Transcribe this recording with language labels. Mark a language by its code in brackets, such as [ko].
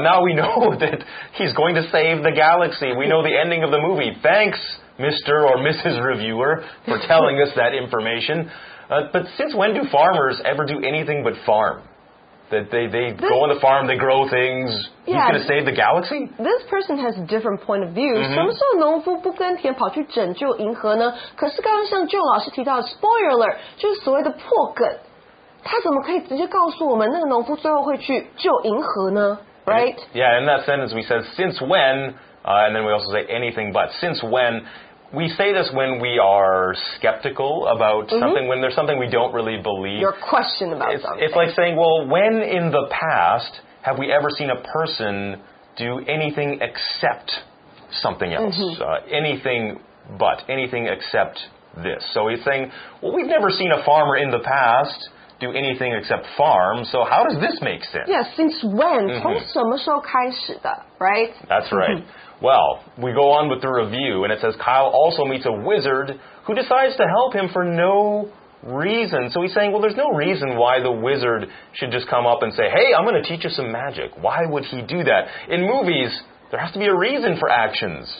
[en] Now we know that he's going to save the galaxy. We know the ending of the movie. Thanks, Mr. or Mrs. Reviewer, for telling us that information. But since when do farmers ever do anything but farm? That they go on the farm, they grow things. Yeah, he's going to save the galaxy? This person has a different point of view. Mm-hmm. [zh] 什么时候农夫不耕田跑去拯救银河呢？可是刚刚像Joe老师提到的 spoiler alert, 就是所谓的破梗。他怎么可以直接告诉我们那个农夫最后会去救银河呢？ [en] Right? Yeah, in that sentence we said, since when, and then we also say anything but, since when... We say this when we are skeptical about something, mm-hmm. when there's something we don't really believe. Your question about it's, something. It's like saying, well, when in the past have we ever seen a person do anything except something else? Mm-hmm. Anything but, anything except this. So he's saying, well, we've never seen a farmer in the past... do anything except farm, so how does this make sense? Yeah, since when? [zh] 从什么时候开始的, [en] right? That's right. Well, we go on with the review, and it says Kyle also meets a wizard who decides to help him for no reason. So he's saying, well, there's no reason why the wizard should just come up and say, hey, I'm going to teach you some magic. Why would he do that? In movies, there has to be a reason for actions.